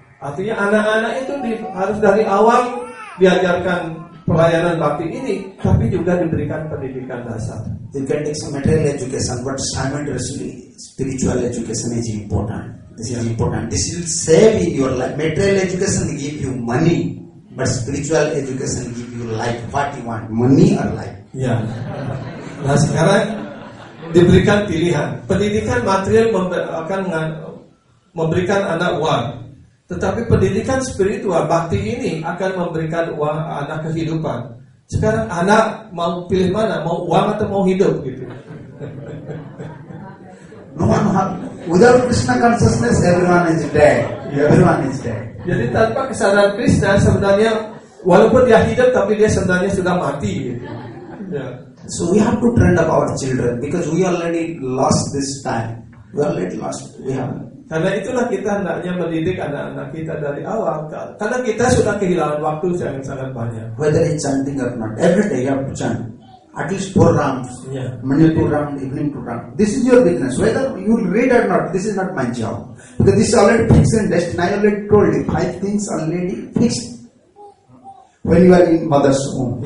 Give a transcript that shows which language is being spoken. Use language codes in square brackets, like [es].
[id] Artinya anak-anak itu harus dari awal diajarkan pelayanan bakti ini, tapi juga diberikan pendidikan dasar. [en] You can take some material education, but simultaneously spiritual education is important. This is important. This will save in your life. Material education give you money, but spiritual education give you life. What you want, money or life? Yeah. [id] Nah sekarang diberikan pilihan. Pendidikan material akan memberikan anak uang. Tetapi pendidikan spiritual, bakti ini akan memberikan uang anak kehidupan. Sekarang anak mau pilih mana, mau uang atau mau hidup gitu. [en] No one have, without Krishna consciousness, everyone is dead. Everyone is dead. [id] Jadi tanpa kesadaran Krishna sebenarnya, walaupun dia hidup tapi dia sebenarnya sudah mati gitu. [en] Yeah. So we have to train up our children because we already lost this time. We already lost. We have. [id] Karena itulah kita hendaknya mendidik anak-anak kita dari awal. Karena kita sudah kehilangan waktu yang sangat banyak. [en] Whether it's chanting or not, every day you have to chant. At least 4 rounds. Yeah. Morning 2 rounds, evening 2 rounds. This is your business. Whether you read or not, this is not my job. Because this is already fixed in destiny. I already told you 5 things already fixed. When you are in mother's womb.